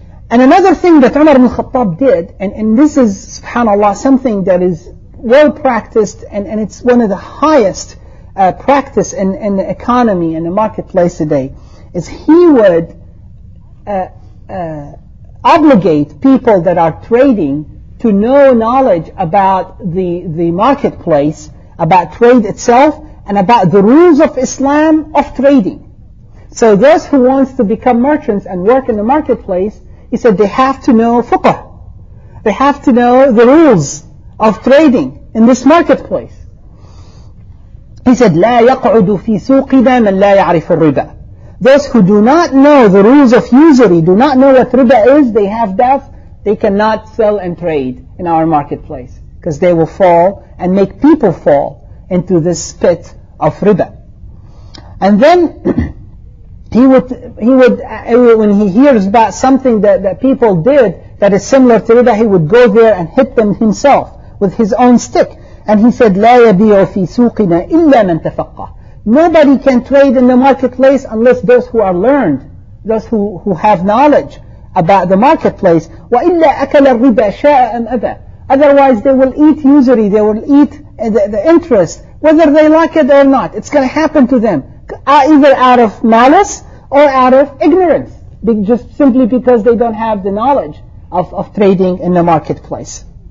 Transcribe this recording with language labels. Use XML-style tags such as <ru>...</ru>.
<en>And another thing that Umar ibn Khattab did, and this is, subhanAllah, something that is well practiced, and it's one of the highest practice in the economy and the marketplace today, is he would obligate people that are trading to know knowledge about the marketplace, about trade itself, and about the rules of Islam of trading. So those who wants to become merchants and work in the marketplace, he said they have to know fuqah. They have to know the rules of trading in this marketplace.</en> <ar>He said, لا يقعد في سوقنا من لا يعرف الربا.</ar> <en>Those who do not know the rules of usury, do not know what riba is, they have doubt, they cannot sell and trade in our marketplace, because they will fall and make people fall into this pit of riba. And then he would when he hears about something that people did that is similar to riba, he would go there and hit them himself with his own stick.</en> <ar>And he said, لا يبيع في سوقنا إلا من تفقه.</ar> <en>Nobody can trade in the marketplace unless those who are learned, those who have knowledge about the marketplace.</en> <ar>وإلا أكل الربا شاء أم أبا.</ar> <en>Otherwise they will eat usury, they will eat the interest, whether they like it or not. It's going to happen to them, either out of malice or out of ignorance, just simply because they don't have the knowledge of trading in the marketplace.</en>